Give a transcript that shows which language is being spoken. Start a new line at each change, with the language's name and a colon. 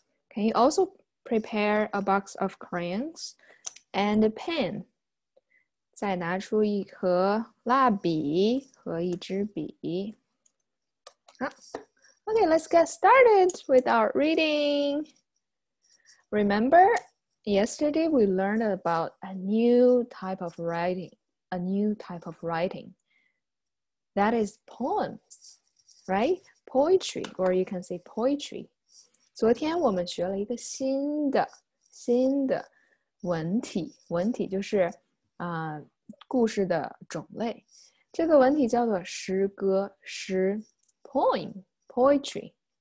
Chinese: 可以
English: also prepare a box of crayons and a pen.
Chinese: 再拿出一盒蜡笔和一支笔。
English: 好 ,Okay, let's get started with our reading. Remember, yesterday we learned about a new type of writing, That is poems, right? Poetry, or you can say poetry.
Chinese: 昨天我们学了一个新的文体，文体就是、故事的种类。这个文体叫做诗歌，诗 ,poem, poetry.